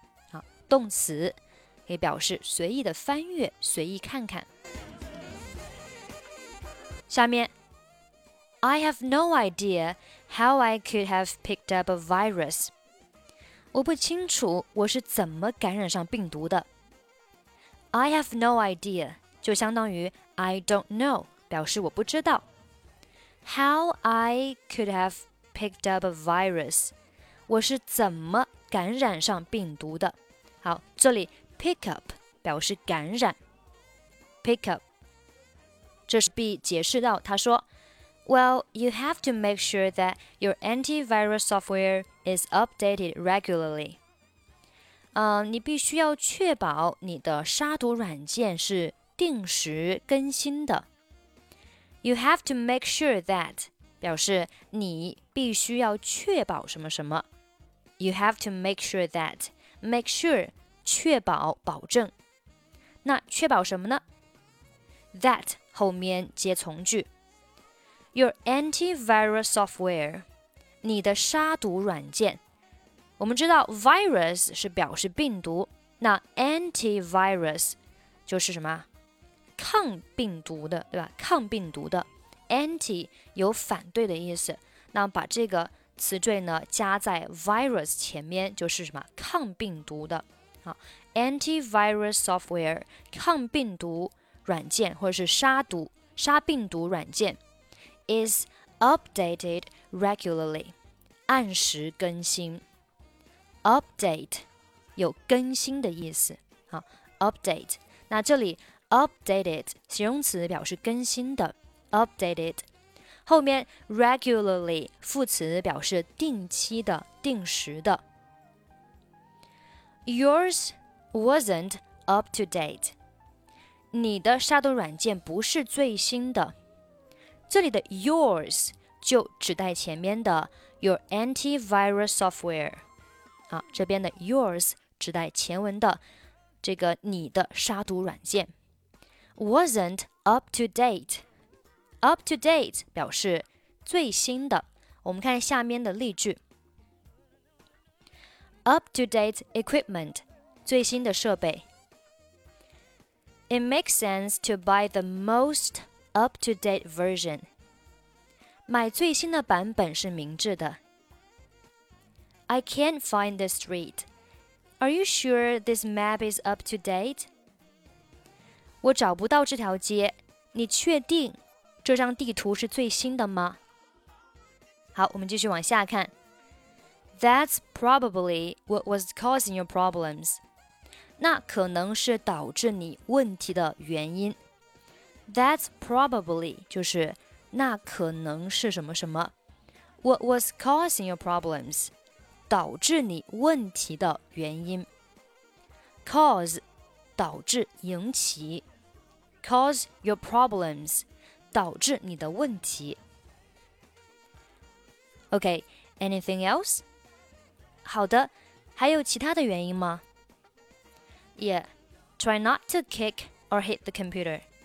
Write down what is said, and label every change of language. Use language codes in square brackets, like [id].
[zh] 好，动词可以表示随意的翻阅，随意看看。 [en] 下面I have no idea how I could have picked up a virus. [zh] 我不清楚我是怎么感染上病毒的。 [en] I have no idea [zh] 就相当于 [en] I don't know [zh] 表示我不知道。 [en] How I could have picked up a virus. [zh] 我是怎么感染上病毒的。好，这里 pick up 表示感染。 [en] Pick up [zh] 这是 B 解释到，他说 [en] Well, you have to make sure that your antivirus software is updated regularly. [zh] 你必须要确保你的杀毒软件是定时更新的。 [en] You have to make sure that [zh] 表示你必须要确保什么什么。 [en] You have to make sure that make sure [zh] 确保保证。那确保什么呢 ？That 后面接从句。 [en] Your antivirus software, [zh] 你的杀毒软件。我们知道 virus 是表示病毒，那 antivirus 就是什么？抗病毒的，对吧？抗病毒的 anti 有反对的意思。那把这个词缀呢加在 virus 前面，就是什么？抗病毒的。好 ，antivirus software 抗病毒软件，或者是杀毒杀病毒软件。 [en] Is updated regularly, [zh] 按时更新。 Update 有更新的意思。好 ，update。那这里 updated 形容词表示更新的。 Updated 后面 regularly 副词表示定期的、定时的。 [en] Yours wasn't up to date. [zh] 你的杀毒软件不是最新的。这里的 yours 就指代前面的 [en] your antivirus software、 [zh] 啊、这边的 yours 指代前文的这个你的杀毒软件 [en] wasn't up to date up to date [zh] 表示最新的我们看下面的例句 [en] up to date equipment [zh] 最新的设备 [en] it makes sense to buy the mostUp-to-date version. [zh] 买最新的版本是明智的。 [en] I can't find the street. Are you sure this map is up to date? [zh] 我找不到这条街，你确定这张地图是最新的吗？好，我们继续往下看。 [en] That's probably what was causing your problems. [zh] 那可能是导致你问题的原因。 [en] That's probably [zh] 就是那可能是什么什么。 [en] What was causing your problems? [zh] 导致你问题的原因。 [en] Cause [zh] 导致引起。 [en] Cause your problems [zh] 导致你的问题。 [en] Okay, anything else? [zh] 好的，还有其他的原因吗？ [en] Yeah, try not to kick or hit the computer.